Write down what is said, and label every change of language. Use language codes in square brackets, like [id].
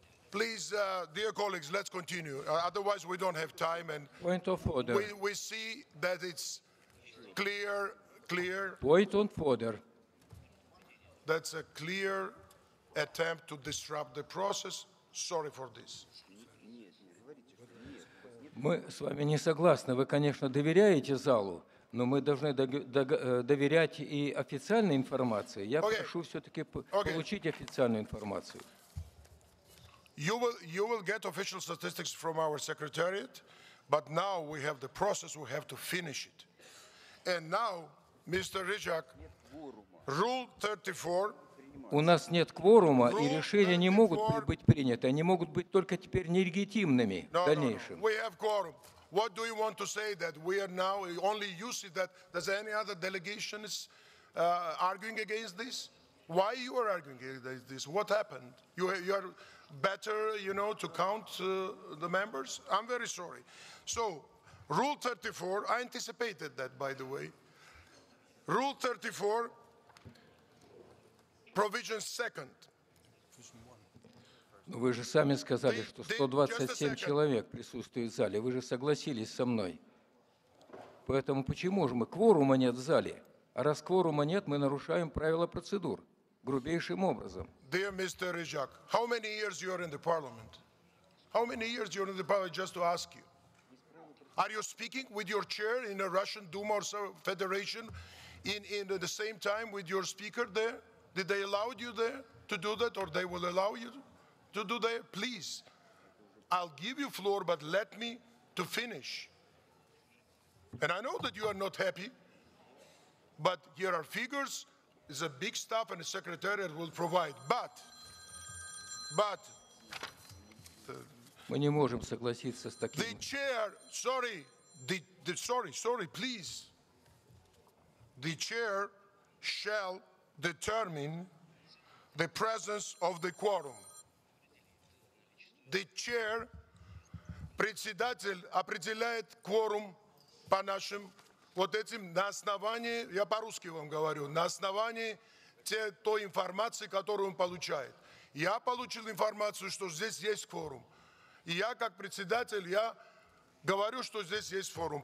[en] Please, dear colleagues, let's continue. Otherwise, we don't have time. And point of order. We see that it's clear. Point of order. That's a clear attempt to disrupt the process. Sorry for this. [ru] Мы с вами не согласны. Вы, конечно, доверяете залу, но мы должны доверять и официальной информации. Я прошу все-таки получить официальную информацию. [en] You will get official statistics from our secretariat, but now we have the process, we have to finish it. And now, Mr. Rizhak, Rule 34. [ru] У нас нет кворума, и решения не могут быть приняты. Они могут быть только теперь нелегитимными в дальнейшем. [en] We have quorum. What do you want to say that we are now, only you see that, does any other delegations arguing against this? Why you are arguing against this? What happened? You are better, you know, to count the members? I'm very sorry. So, Rule 34, I anticipated that, by the way. Rule 34, Provision 2nd. [ru] Ну, вы же сами сказали, что 127 человек присутствует в зале. Вы же согласились со мной. Поэтому почему же мы? Кворума нет в зале. А раз кворума нет, мы нарушаем правила процедур. Грубейшим образом. [en] Dear Mr. Rizhak, how many years you are in the parliament? How many years you are in the parliament, just to ask you? Are you speaking with your chair in a Russian Duma or Federation in the same time with your speaker there? Did they allow you there to do that, or they will allow you to do that? Please, I'll give you floor, but let me to finish. And I know that you are not happy, but here are figures. It's a big stuff, and the secretariat will provide. But. [ru] Мы не можем согласиться с таким. [en] The chair, sorry, sorry, please. The chair shall determine the presence of the quorum. The chair, [ru] председатель, определяет quorum по нашим вот этим на основании, я по-русски вам говорю, на основании той информации, которую он получает. Я получил информацию, что здесь есть quorum. И я, как председатель, я говорю, что здесь есть quorum.